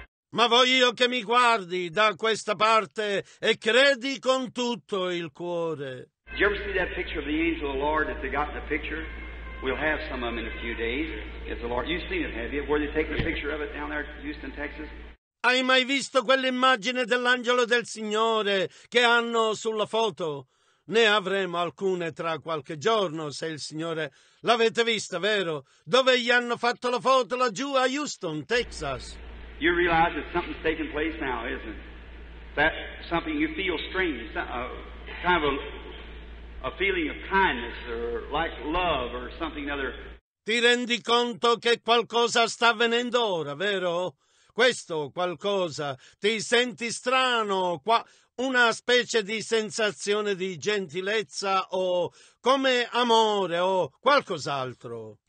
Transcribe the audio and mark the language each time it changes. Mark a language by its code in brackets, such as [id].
[it] Ma voglio che mi guardi da questa parte e credi con tutto il cuore. [en] Did you ever see that picture of the angel of the Lord that they got in the picture? We'll have some of them in a few days. It's the Lord. You've seen it, have you? Where they take the picture of it down there in Houston, Texas? [it] Hai mai visto quell'immagine dell'angelo del Signore che hanno sulla foto? ne avremo alcune tra qualche giorno, se il signore... L'avete vista, vero? Dove gli hanno fatto la foto laggiù a Houston, Texas? [en] You realize that something's taking place now, isn't it? That something you feel strange, kind of a feeling of kindness or like love or something other. [it] Ti rendi conto che qualcosa sta avvenendo ora, vero? Questo qualcosa, ti senti strano, qua una specie di sensazione di gentilezza o come amore o qualcos'altro.